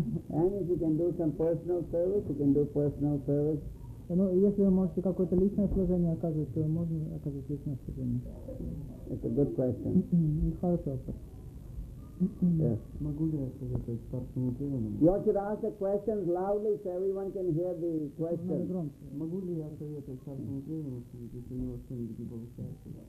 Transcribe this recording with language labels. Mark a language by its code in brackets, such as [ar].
[en] And if you can do some personal service, you can do personal service. [ru] Ну, если вы можете какое-то личное служение оказывать, то можно оказывать личное служение. [en] It's a good question. [ru] Хороший вопрос. [en] Yes. [ru] Могу ли я сказать старшему преданному? [en] You should ask the questions loudly so everyone can hear the question. [ru] Надо громче. Могу ли я советовать старшему преданному, если у него что-нибудь получается?